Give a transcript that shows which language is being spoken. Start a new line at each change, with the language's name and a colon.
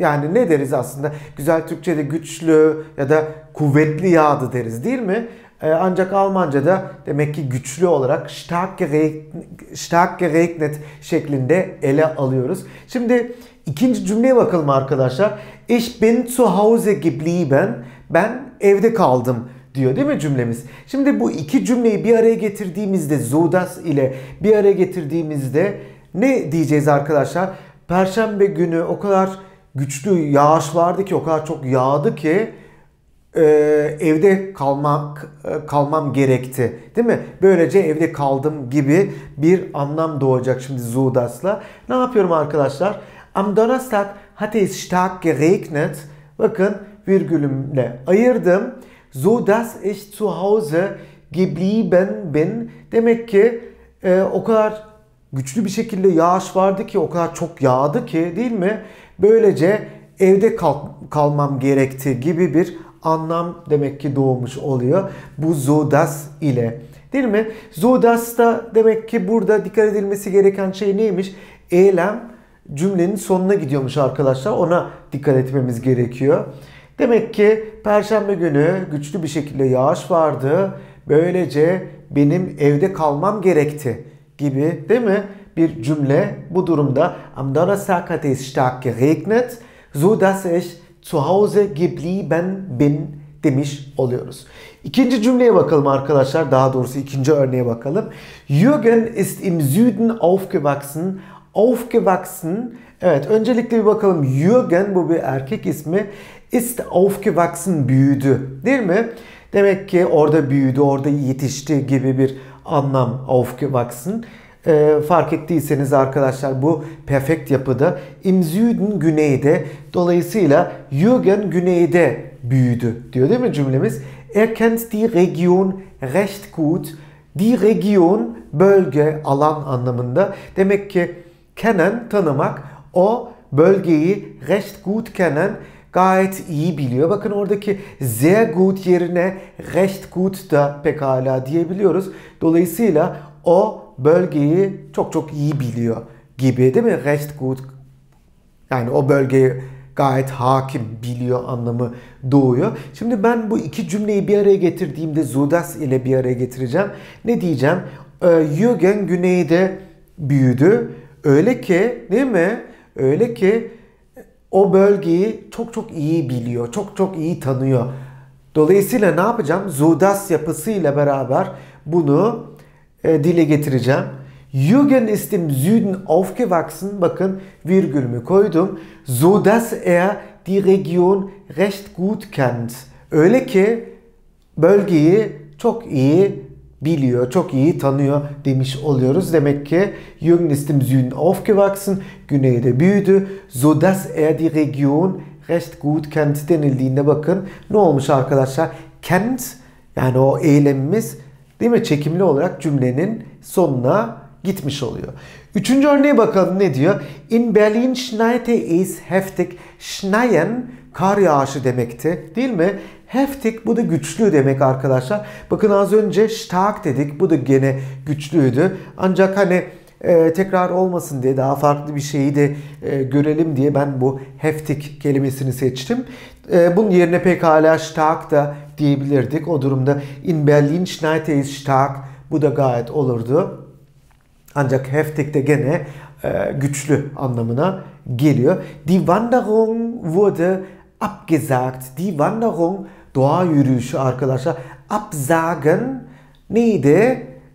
Turkish: Yani ne deriz aslında? Güzel Türkçe'de güçlü ya da kuvvetli yağdı deriz, değil mi? Ancak Almanca'da demek ki güçlü olarak
German: stark geregnet
Turkish: şeklinde ele alıyoruz. Şimdi ikinci cümleye bakalım arkadaşlar.
German: Ich bin zu Hause geblieben.
Turkish: Ben evde kaldım diyor, değil mi cümlemiz? Şimdi bu iki cümleyi bir araya getirdiğimizde, so das ile bir araya getirdiğimizde ne diyeceğiz arkadaşlar? Perşembe günü o kadar güçlü yağış vardı ki, o kadar çok yağdı ki evde kalmam gerekti, değil mi? Böylece evde kaldım gibi bir anlam doğacak şimdi so das'la. Ne yapıyorum arkadaşlar?
German: Am Donnerstag hat es stark geregnet.
Turkish: Bakın, virgülümle ayırdım.
German: So dass ich zu Hause geblieben bin.
Turkish: Demek ki o kadar güçlü bir şekilde yağış vardı ki, o kadar çok yağdı ki, değil mi? Böylece evde kalmam gerekti gibi bir anlam demek ki doğmuş oluyor bu so dass ile, değil mi? So dass da demek ki burada dikkat edilmesi gereken şey neymiş? Eylem cümlenin sonuna gidiyormuş arkadaşlar. Ona dikkat etmemiz gerekiyor. Demek ki perşembe günü güçlü bir şekilde yağış vardı. Böylece benim evde kalmam gerekti gibi, değil mi? Bir cümle bu durumda.
German: Am Donnerstag hat es stark geregnet, so dass ich zu Hause geblieben bin
Turkish: demiş oluyoruz. İkinci cümleye bakalım arkadaşlar. Daha doğrusu ikinci örneğe bakalım.
German: Jürgen ist im Süden aufgewachsen. Aufgewachsen.
Turkish: Evet, öncelikle bir bakalım. Jürgen, bu bir erkek ismi.
German: Ist aufgewachsen,
Turkish: büyüdü, değil mi? Demek ki orada büyüdü, orada yetişti gibi bir anlam aufgewachsen. Fark ettiyseniz arkadaşlar, bu perfekt yapıda.
German: Im Süden,
Turkish: güneyde. Dolayısıyla Jürgen güneyde büyüdü diyor, değil mi cümlemiz?
German: Er kennt die Region recht gut.
Turkish: Die Region, bölge, alan anlamında. Demek ki kennen, tanımak. O bölgeyi
German: recht gut kennen,
Turkish: gayet iyi biliyor. Bakın, oradaki
German: sehr gut
Turkish: yerine recht gut da pekala diyebiliyoruz. Dolayısıyla o bölgeyi çok çok iyi biliyor gibi, değil mi?
German: Recht gut,
Turkish: yani o bölgeyi gayet hakim, biliyor anlamı doğuyor. Şimdi ben bu iki cümleyi bir araya getirdiğimde so das ile bir araya getireceğim. Ne diyeceğim? Jürgen güneyde büyüdü. Öyle ki, değil mi? Öyle ki o bölgeyi çok çok iyi biliyor, çok çok iyi tanıyor. Dolayısıyla ne yapacağım? So das yapısıyla beraber bunu dile getireceğim.
German: Jürgen ist im Süden aufgewachsen.
Turkish: Bakın, virgülümü koydum.
German: So dass er die Region recht gut kennt.
Turkish: Öyle ki bölgeyi çok iyi biliyor, çok iyi tanıyor demiş oluyoruz. Demek ki Jürgen
German: ist im Süden aufgewachsen,
Turkish: güneyde büyüdü.
German: So dass er die Region recht gut kennt
Turkish: denildiğinde, bakın ne olmuş arkadaşlar? Kennt, yani o eylemimiz, değil mi, çekimli olarak cümlenin sonuna gitmiş oluyor. Üçüncü örneğe bakalım, ne diyor?
German: In Berlin schneite es heftig.
Turkish: Schneien, kar yağışı demekti, değil mi? Heftig, bu da güçlü demek arkadaşlar. Bakın, az önce stark dedik, bu da gene güçlüydü. Ancak hani tekrar olmasın diye, daha farklı bir şeyi de görelim diye ben bu heftig kelimesini seçtim. Bunun yerine pekala stark da diyebilirdik. O durumda
German: in Berlin schneite es stark,
Turkish: bu da gayet olurdu. Ancak heftig de gene güçlü anlamına geliyor.
German: Die Wanderung wurde abgesagt.
Turkish: Die Wanderung, doğa yürüyüşü arkadaşlar. Absagen neydi?